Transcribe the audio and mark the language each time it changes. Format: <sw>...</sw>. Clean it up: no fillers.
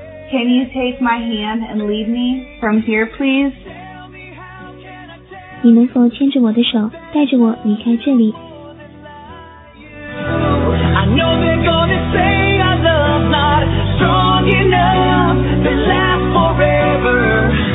<en>Can you take my hand and lead me from here, please?</en> <zh>你能否牵着我的手，带着我离开这里？</zh> <en>I know they're gonna say our love's not strong enough to last forever.</en>